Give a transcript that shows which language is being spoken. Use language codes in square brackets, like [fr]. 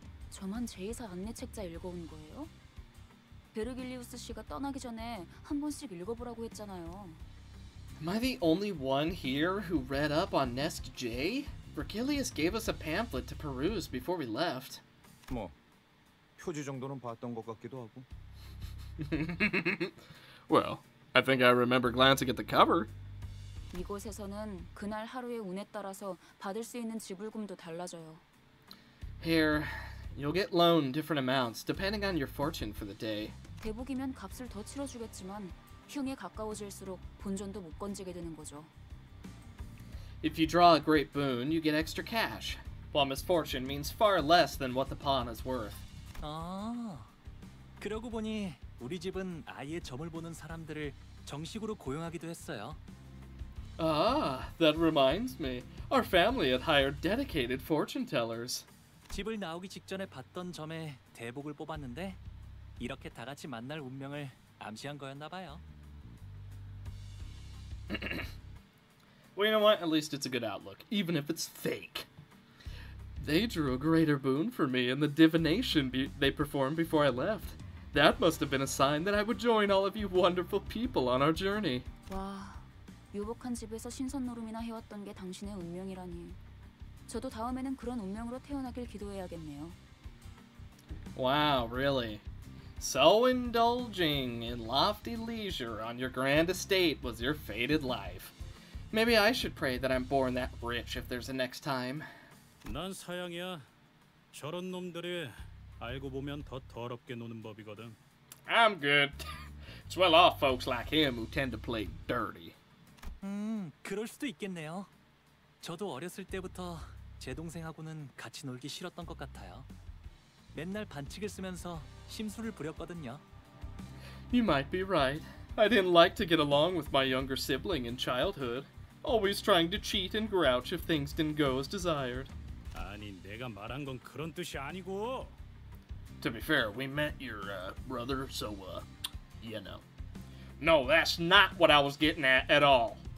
[ko] 저만 제이사 안내 책자 읽어온 거예요? 베르길리우스 씨가 떠나기 전에 한 번씩 읽어보라고 했잖아요. [en] Am I the only one here who read up on Nest J? Virgilius gave us a pamphlet to peruse before we left. [ko] 뭐, 표지 정도는 봤던 것 같기도 하고. [en] Well, I think I remember glancing at the cover. [ko] 이곳에서는 그날 하루의 운에 따라서 받을 수 있는 지불금도 달라져요. [en] Here, you'll get loaned different amounts depending on your fortune for the day. [ko] 대복이면 값을 더 치러주겠지만 흉에 가까워질수록 본전도 못 건지게 되는 거죠. [en] If you draw a great boon, you get extra cash. While misfortune means far less than what the pawn is worth. [ko] 아, 그러고 보니 우리 집은 아예 점을 보는 사람들을 정식으로 고용하기도 했어요. [en] Ah, that reminds me. Our family had hired dedicated fortune tellers. [ko] 집을 나오기 직전에 봤던 점에 대복을 뽑았는데 이렇게 다 같이 만날 운명을 암시한 거였나 봐요. [en] Well, you know what? At least it's a good outlook, even if it's fake. They drew a greater boon for me in the divination they performed before I left. That must have been a sign that I would join all of you wonderful people on our journey. [ko] 와, 유복한 집에서 신선놀음이나 해왔던 게 당신의 운명이라니. 저도 다음에는 그런 운명으로 태어나길 기도해야겠네요. [en] Wow, really? So indulging in lofty leisure on your grand estate was your fated life. Maybe I should pray that I'm born that rich if there's a next time. [ko] 난 사양이야. 저런 놈들이 알고 보면 더 더럽게 노는 법이거든. [en] I'm good. It's well off folks like him who tend to play dirty. [ko] 그럴 수도 있겠네요. 저도 어렸을 때부터 제 동생하고는 같이 놀기 싫었던 것 같아요. 맨날 반칙을 쓰면서 심술을 부렸거든요. [en] You might be right. I didn't like to get along with my younger sibling in childhood. Always trying to cheat and grouch if things didn't go as desired. [ko] 아니, 내가 말한 건 그런 뜻이 아니고. [en] To be fair, we met your brother, so, you know. No, that's not what I was getting at all.